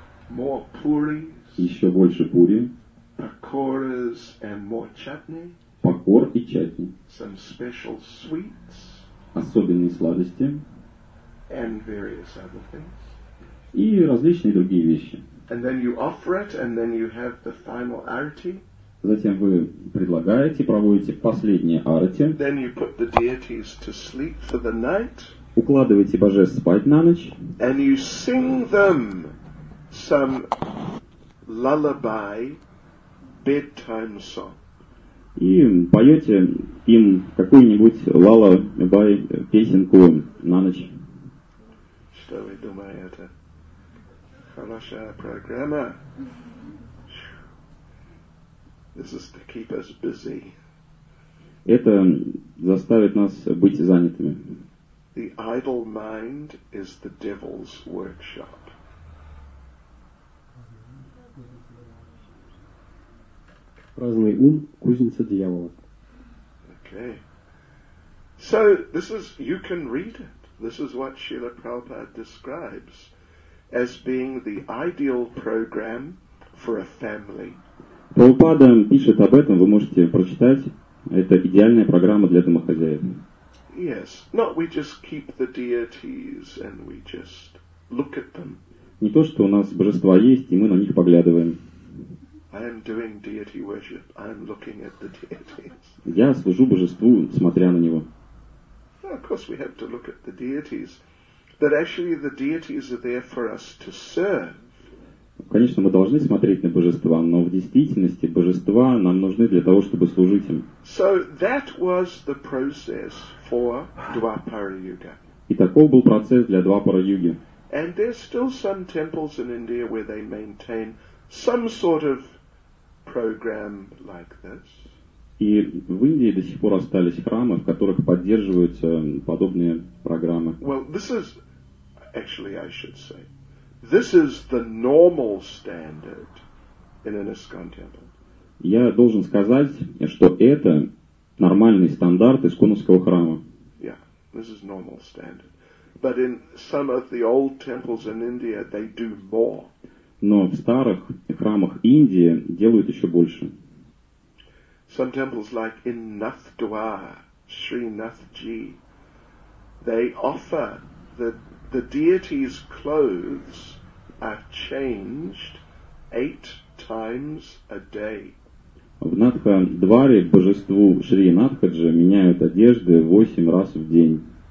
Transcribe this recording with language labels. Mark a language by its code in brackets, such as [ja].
[en] More puris. [ru] Еще больше пури. [en] Pakoras and more chutney. [ru] Пакор и чатни. [en] Some special sweets. [ru] Особенные сладости. [en] And various other things. [ru] И различные другие вещи. [en] And then you offer it, and then you have the final arati. [ru] Затем вы предлагаете, проводите последнее арати. [en] Then you put the deities to sleep for the night. [ru] Укладываете божеств спать на ночь. [en] And you sing them some lullaby bedtime song. [ru] И поете им какую-нибудь lullaby песенку на ночь. Что вы думаете? Это хорошая программа. [en] This is to keep us busy. [ru] Это заставит нас быть занятыми. [en] The idle mind is the devil's workshop. [ru] Праздный ум — кузница дьявола. [en] Okay. So, this is, you can read it. This is what Srila Prabhupada describes as being the ideal program for a family. [ru] Прабхупада пишет об этом, вы можете прочитать. Это идеальная программа для домохозяев. [en] Yes, not we just keep the deities and we just look at them. [ru] Не то, что у нас божества есть, и мы на них поглядываем. [en] I am doing deity worship. I am looking at the deities. [ru] Я служу божеству, смотря на него. [en] Well, of course, we have to look at the deities, but actually, the deities are there for us to serve. [ru] Конечно, мы должны смотреть на божества, но в действительности божества нам нужны для того, чтобы служить им. [en] So that was the process for Dwapara Yuga. [ru] И таков был процесс для Двапара Юги. [en] And there's still some temples in India where they maintain some sort of program like this. [ru] И в Индии до сих пор остались храмы, в которых поддерживаются подобные программы. [en] Well, this is actually, I should say, this is the normal standard in an ISKCON temple. [ru] Я должен сказать, что это нормальный стандарт исконовского храма. [en] Yeah, this is normal standard. But in some of the old temples in India, they do more. [ru] Но в старых храмах Индии делают еще больше. [en] Some temples like in Nathdwar, Sri Nathji, they offer the deity's clothes are changed 8 times a day. [ru] В Натхадваре божеству Шри Натхаджи меняют одежды 8 раз в день.